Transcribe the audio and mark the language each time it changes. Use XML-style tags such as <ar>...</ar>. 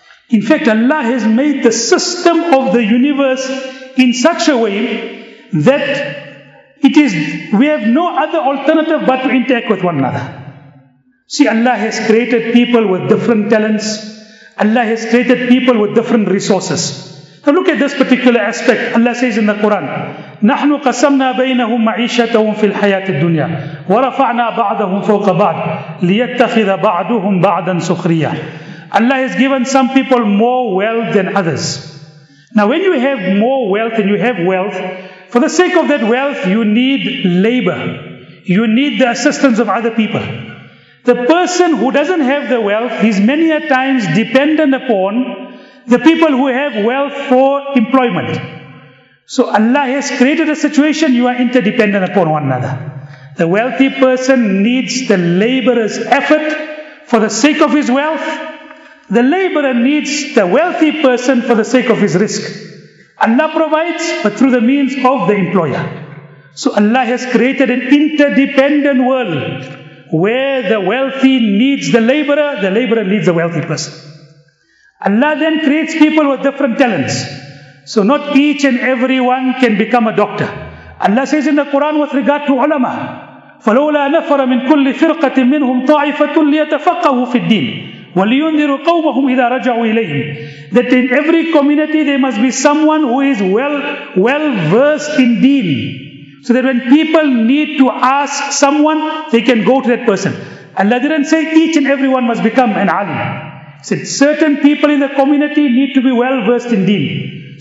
<en>In fact, Allah has made the system of the universe in such a way that it is, we have no other alternative but to interact with one another. See, Allah has created people with different talents. Allah has created people with different resources. Now look at this particular aspect. Allah says in the Quran,</en> <ar>نَحْنُ قَسَمْنَا بَيْنَهُمْ مَعِيشَتَهُمْ فِي الْحَيَاةِ الدُّنْيَا وَرَفَعْنَا بَعْضَهُمْ فَوْقَ بَعْضٍ لِيَتَّخِذَ بَعْضُهُمْ بَعْضًا سُخْرِيًّا.</ar> <en>Allah has given some people more wealth than others. Now when you have more wealth and you have wealth, for the sake of that wealth, you need labor. You need the assistance of other people. The person who doesn't have the wealth is many a times dependent upon the people who have wealth for employment. So Allah has created a situation you are interdependent upon one another. The wealthy person needs the laborer's effort for the sake of his wealth. The laborer needs the wealthy person for the sake of his risk. Allah provides, but through the means of the employer. So Allah has created an interdependent world where the wealthy needs the laborer needs the wealthy person. Allah then creates people with different talents. So not each and everyone can become a doctor. Allah says in the Quran with regard to ulama,</en> <ar>فَلَوْلَا نَفَرَ مِنْ كُلِّ فِرْقَةٍ مِّنْهُمْ طَائِفَةٌ لِيَتَفَقَّهُ فِي الدِّينِ وَلِيُنذِرُ قَوْمَهُمْ إِذَا رَجَعُوا إِلَيْهِمْ.</ar> <en>That in every community there must be someone who is well versed in deen. So that when people need to ask someone, they can go to that person. Allah didn't say each and everyone must become an alim. He said certain people in the community need to be well versed in deen.</en>